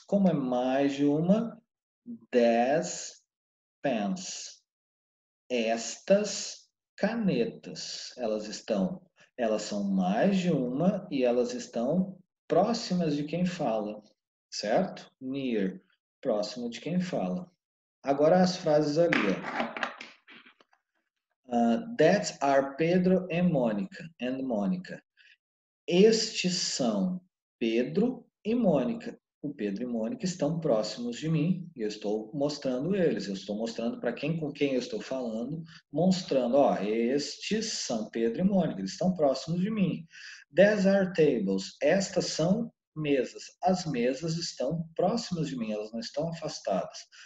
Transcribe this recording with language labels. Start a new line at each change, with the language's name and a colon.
Portuguese: Como é mais de uma, dez. Pens, estas canetas, elas são mais de uma e elas estão próximas de quem fala, certo? Near, próximo de quem fala. Agora as frases ali,
English: that are Pedro and Mônica.
Portuguese: Estes são Pedro e Mônica. O Pedro e Mônica estão próximos de mim e eu estou mostrando eles. Eu estou mostrando para quem com quem eu estou falando, mostrando, ó, estes são Pedro e Mônica, eles estão próximos de mim.
English: These are tables.
Portuguese: Estas são mesas. As mesas estão próximas de mim, elas não estão afastadas.